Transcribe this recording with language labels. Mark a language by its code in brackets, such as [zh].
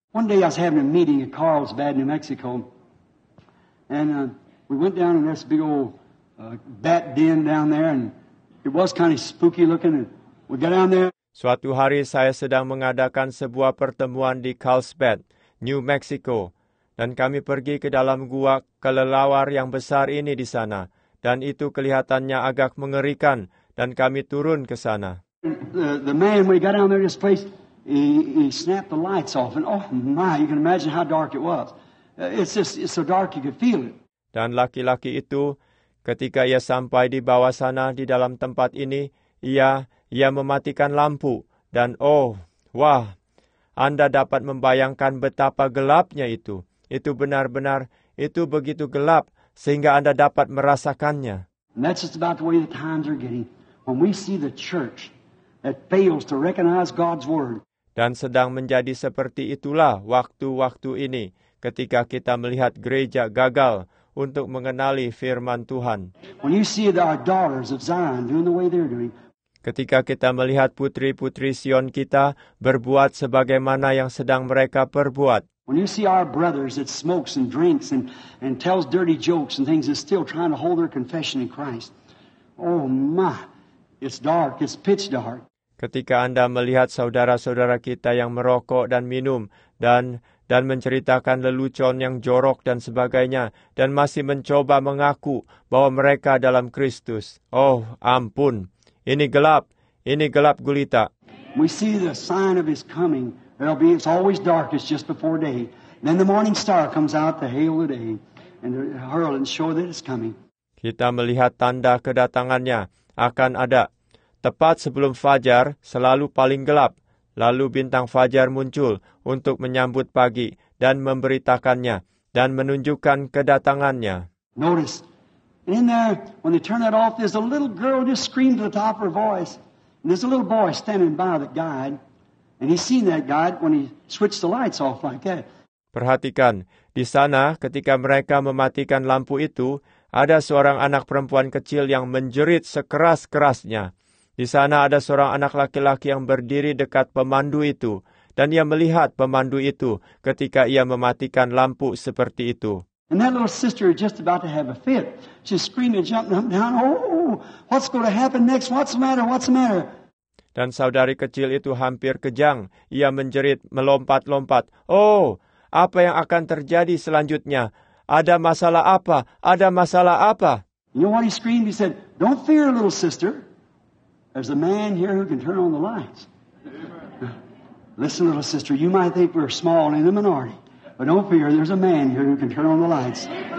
[en] One day I was having a meeting at Carlsbad, New Mexico, and we went down in this big old bat den down there, and it was kind of spooky looking, and we got down there. [id] Suatu hari saya sedang mengadakan sebuah pertemuan di Carlsbad, New Mexico, dan kami pergi ke dalam gua kelelawar yang besar ini di sana, dan itu kelihatannya agak mengerikan, dan kami turun ke sana. [en] The man, when he got down there to this place, he snapped the lights off, and oh my, you can imagine how dark it was. It's so dark you could feel it. [id] Dan laki-laki itu, ketika ia sampai di bawah sana, di dalam tempat ini, ia mematikan lampu, dan oh, wah, Anda dapat membayangkan betapa gelapnya itu. Itu benar-benar, itu begitu gelap, sehingga Anda dapat merasakannya. [en] And that's just about the way the times are getting. When we see the church that fails to recognize God's word. [id] Dan sedang menjadi seperti itulah waktu-waktu ini, ketika kita melihat gereja gagal untuk mengenali firman Tuhan. [en] When you see the daughters of Zion doing the way they're doing. [id] Ketika kita melihat putri-putri Sion kita berbuat sebagaimana yang sedang mereka perbuat. [en] When you see our brothers that smokes and drinks and tells dirty jokes and things and still trying to hold their confession in Christ. Oh my, it's dark, it's pitch dark. [id] Ketika Anda melihat saudara-saudara kita yang merokok dan minum dan dan menceritakan lelucon yang jorok dan sebagainya, dan masih mencoba mengaku bahwa mereka dalam Kristus. Oh, ampun. Ini gelap gulita. [en] We see the sign of his coming. It's always darkest just before day. Then the morning star comes out to hail the day and hurl and show that it's coming. [id] Kita melihat tanda kedatangannya akan ada. Tepat sebelum fajar, selalu paling gelap. Lalu bintang fajar muncul untuk menyambut pagi dan memberitakannya dan menunjukkan kedatangannya. [en] Notice, and in there, when they turn that off, there's a little girl just screamed to the top of her voice. And there's a little boy standing by that guide. And he's seen that guide when he switched the lights off like that. [id] Perhatikan, di sana ketika mereka mematikan lampu itu, ada seorang anak perempuan kecil yang menjerit sekeras-kerasnya. Di sana ada seorang anak laki-laki yang berdiri dekat pemandu itu, dan ia melihat pemandu itu ketika ia mematikan lampu seperti itu. [en] And that little sister is just about to have a fit. She's screaming, jumping up and down. Oh, what's going to happen next? What's the matter? What's the matter? [id] Dan saudari kecil itu hampir kejang. Ia menjerit, melompat-lompat. Oh, apa yang akan terjadi selanjutnya? Ada masalah apa? Ada masalah apa? [en] You know what he screamed? He said, "Don't fear, little sister. There's a man here who can turn on the lights. Listen, little sister, you might think we're small and in the minority, but don't fear, there's a man here who can turn on the lights.